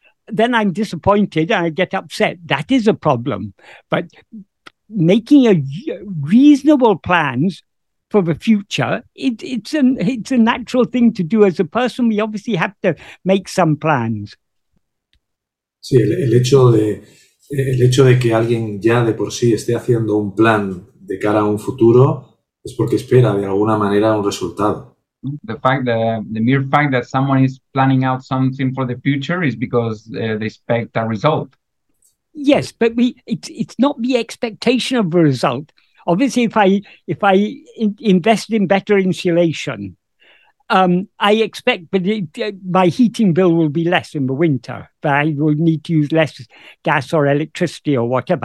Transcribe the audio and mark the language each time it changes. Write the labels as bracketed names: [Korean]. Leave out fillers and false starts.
[English] Then I'm disappointed and I get upset. That is a problem. But making a reasonable plans for the future, it's a natural thing to do. As a person, we obviously have to make some plans. [Spanish] Sí, el hecho de que alguien ya de por sí esté haciendo un plan de cara a un futuro, Es porque espera de alguna manera un resultado. [English] The fact that the mere fact that someone is planning out something for the future is because they expect a result. Yes, but it's not the expectation of a result. Obviously, if I invest in better insulation, I expect that my heating bill will be less in the winter, but I will need to use less gas or electricity or whatever.